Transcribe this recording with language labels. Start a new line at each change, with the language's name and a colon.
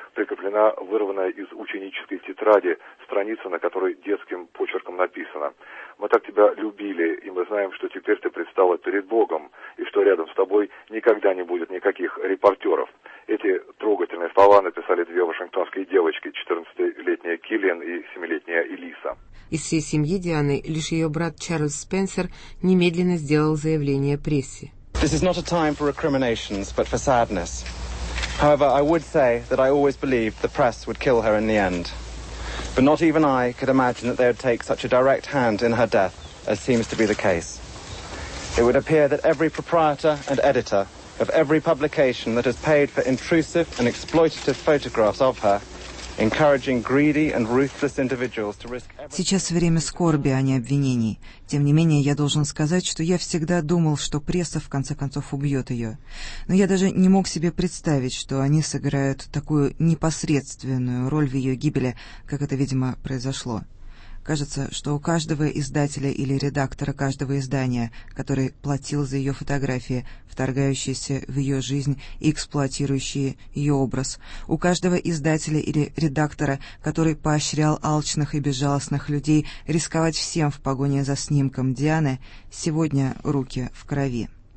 Russian: прикреплена вырванная из ученической тетради страница, на которой детским почерком написано: «Мы так тебя любили, и мы знаем, что теперь ты предстала перед Богом, и что рядом с тобой никогда не будет никаких репортеров». Эти трогательные слова написали две вашингтонские девочки, 14-летняя Киллиан и 7-летняя Элиса. Из всей семьи Дианы лишь ее брат Чарльз Спенсер немедленно сделал заявление прессе.
English: This is not a time for recriminations, but for sadness. However, I would say that I always believed the press would kill her in the end. But not even I could imagine that they would take such a direct hand in her death, as seems to be the case. It would appear that every proprietor and editor of every publication that has paid for intrusive and exploitative photographs of her, encouraging greedy and ruthless individuals to risk everything.
Russian: Сейчас время скорби, а не обвинений. Тем не менее, я должен сказать, что я всегда думал, что пресса в конце концов убьет ее. Но я даже не мог себе представить, что они сыграют такую непосредственную роль в ее гибели, как это, видимо, произошло. Кажется, что у каждого издателя или редактора каждого издания, который платил за ее фотографии, вторгающиеся в ее жизнь и эксплуатирующие ее образ, у каждого издателя или редактора, который поощрял алчных и безжалостных людей рисковать всем в погоне за снимком Дианы, сегодня руки в крови.